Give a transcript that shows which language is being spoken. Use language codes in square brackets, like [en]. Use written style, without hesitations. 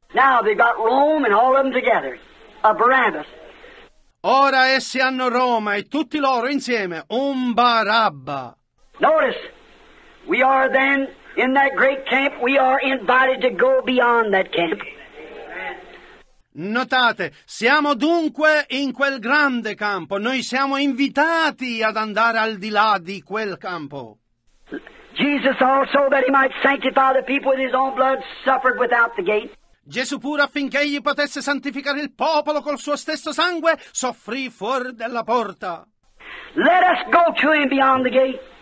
[en] Now they've got Rome and all of them together. A Barabbas. [it] Ora essi hanno Roma e tutti loro insieme un Barabba. [en] Notice, we are then in that great camp, we are invited to go beyond that camp. [it] Notate, siamo dunque in quel grande campo. Noi siamo invitati ad andare al di là di quel campo. [en] Jesus also, that he might sanctify the people with his own blood, suffered without the gate. [it] Gesù pure, affinché egli potesse santificare il popolo col suo stesso sangue, soffrì fuori della porta. [en] Let us go to him beyond the gate.